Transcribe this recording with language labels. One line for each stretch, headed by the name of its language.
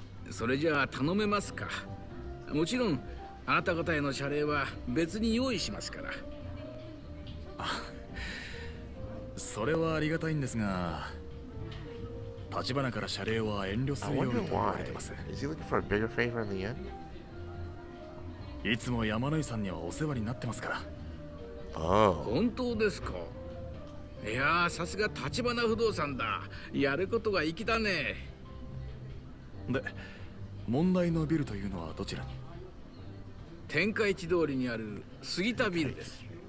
Japanese: それじゃあ頼めますか。もちろんあなた方への謝礼は別に用意しますから。あ、それはありがたいんですが。立花から謝礼は遠慮するようにと言われてます。
English: Is he looking for a bigger favor in the end?
Japanese: いつも山野井さんにはお世話になってますから。
English: Oh.
Japanese: 本当ですか。いやー、さすが立花不動産だ。やることが粋だね。で、問題のビルというのはどちらに？天下一通りにある杉田ビルです。